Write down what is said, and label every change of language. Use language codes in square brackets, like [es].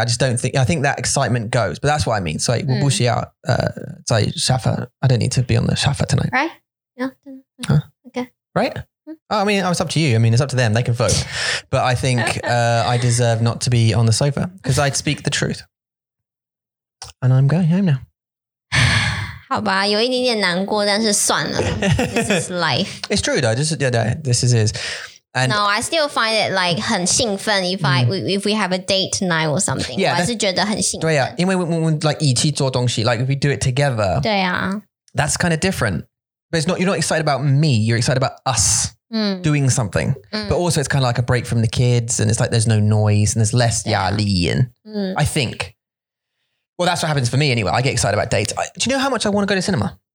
[en] I think that excitement goes, but that's what I mean. So like, [zh] 我不需要, [en] sorry, Shafa. I don't need to be on the Shafa tonight. Right? Yeah. Okay. Huh? Right? Oh, I mean, it's up to you. I mean, it's up to them. They can vote. But I think I deserve not to be on the sofa because I'd speak the truth. And I'm going home now. [zh] 好吧,有一点点难过,但是算了. [en] This is life. It's true though. This is, yeah, this is his. And no, I still find it like [zh] 很兴奋 [en] if we have a date tonight or something. Yeah, [zh] 我还是觉得很兴奋。对啊,因为我们 [en] like [zh] 一起做东西, [en] like if we do it together. [zh] 对啊。 [en] That's kind of different. But it's not, you're not excited about me, you're excited about us doing something. But also it's kind of like a break from the kids and it's like there's no noise and there's less 压力 and I think. Well, that's what happens for me anyway. I get excited about dates. Do you know how much I want to go to cinema?